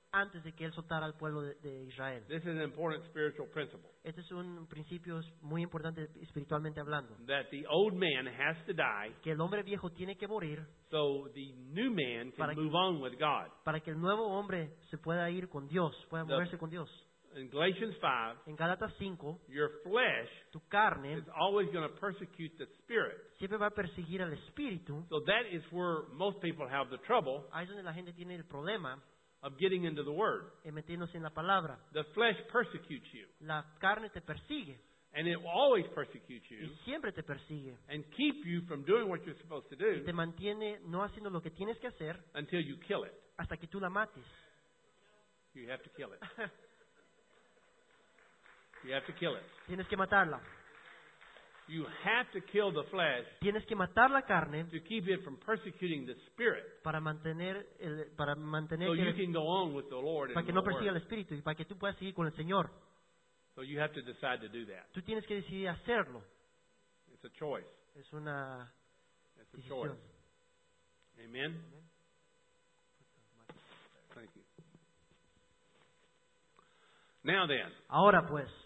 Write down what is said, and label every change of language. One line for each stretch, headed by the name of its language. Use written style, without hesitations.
Spanish: Antes de que él soltara al pueblo de Israel.
English: This is an important spiritual principle.
Spanish: Este es un principio muy importante espiritualmente hablando.
English: That the old man has to die.
Spanish: Que el hombre viejo tiene que morir.
English: So the new man can move on with God.
Spanish: Para que el nuevo hombre se pueda ir con Dios, pueda moverse con Dios.
English: In Galatians 5,
Spanish: en Galatas 5,
English: your flesh,
Spanish: tu carne,
English: is always going to persecute the spirit.
Spanish: Siempre va a perseguir al espíritu.
English: So that is where most people have the trouble.
Spanish: Ahí es donde la gente tiene el problema
English: of getting into the word.
Spanish: En metiéndose en la palabra.
English: The flesh persecutes you.
Spanish: La carne te persigue.
English: And it will always persecute you.
Spanish: Y siempre te persigue.
English: And keep you from doing what you're supposed to do.
Spanish: Y te mantiene no haciendo lo que tienes que hacer.
English: Until you kill it.
Spanish: Hasta que tú la mates.
English: You have to kill it. You have to kill it.
Spanish: Tienes que matarla.
English: You have to kill the flesh.
Spanish: Tienes que matar la carne.
English: To keep it from persecuting the spirit.
Spanish: Para mantener.
English: So you can go on with the Lord.
Spanish: Para que no persiga el espíritu y para que tú puedas seguir con el Señor.
English: So you have to decide to do that.
Spanish: Tú tienes que decidir hacerlo.
English: It's a choice.
Spanish: Es una decisión.
English: It's a choice. Amen. Thank you. Now then.
Spanish: Ahora pues.